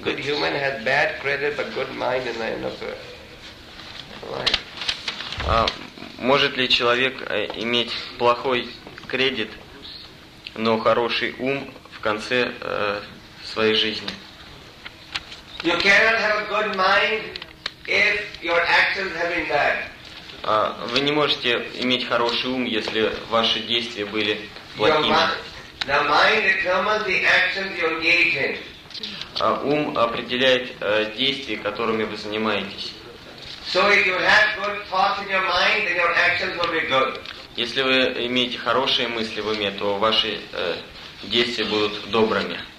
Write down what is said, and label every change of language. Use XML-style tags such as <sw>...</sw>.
<en>Good human has bad credit, but good mind in the end of life.</en> <ru>Может ли человек иметь плохой кредит, но хороший ум в конце своей жизни?</ru> <en>You cannot have a good mind if your actions have been bad.</en> <ru>Вы не можете иметь хороший ум, если ваши действия были плохими.</ru> <en>The mind determines the actions you engage in.</en> <ru>Ум определяет действия, которыми вы занимаетесь.</ru> <en>So if you have good thoughts in your mind, then your actions will be good.</en> <ru>Если вы имеете хорошие мысли в уме, то ваши действия будут добрыми.</ru>